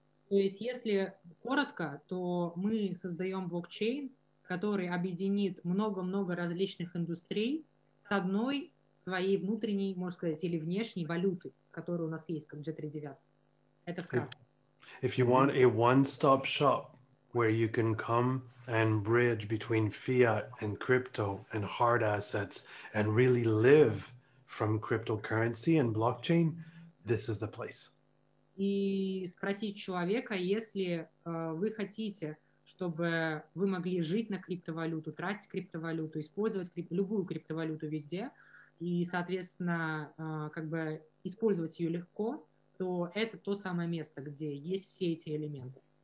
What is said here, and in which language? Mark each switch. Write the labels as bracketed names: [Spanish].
[Russian] То есть, если коротко, то мы создаем блокчейн, который объединит много-много различных индустрий с одной своей внутренней, можно сказать, или внешней валюты, которая у нас есть, как G39. Это вкратце. [English] If you want a one-stop shop, where you can come and bridge between fiat and crypto and hard assets and really live from cryptocurrency and blockchain, this is the place. [Russian] И спросить человека, если вы хотите, чтобы вы могли жить на криптовалюту, тратить криптовалюту, использовать любую криптовалюту везде и, соответственно, как бы использовать ее легко, то это то самое место, где есть все эти элементы.